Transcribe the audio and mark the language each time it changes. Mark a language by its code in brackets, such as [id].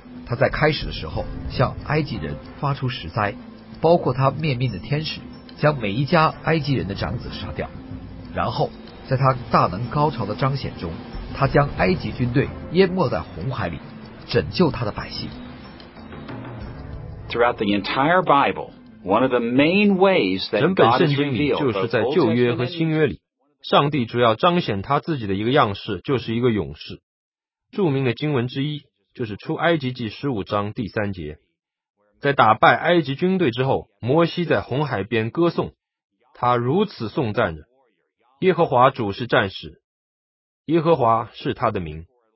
[zh] 他在开始的时候向埃及人发出十灾，包括他灭命的天使将每一家埃及人的长子杀掉，然后在他大能高潮的彰显中，他将埃及军队淹没在红海里，拯救他的百姓。 [en] Throughout the entire Bible, one of the main ways that God is revealed, [zh] 整本圣经里就是在旧约和新约里，上帝主要彰显他自己的一个样式，就是一个勇士。著名的经文之一就是出埃及记十五章第三节，在打败埃及军队之后，摩西在红海边歌颂，他如此颂赞着：耶和华主是战士，耶和华是他的名。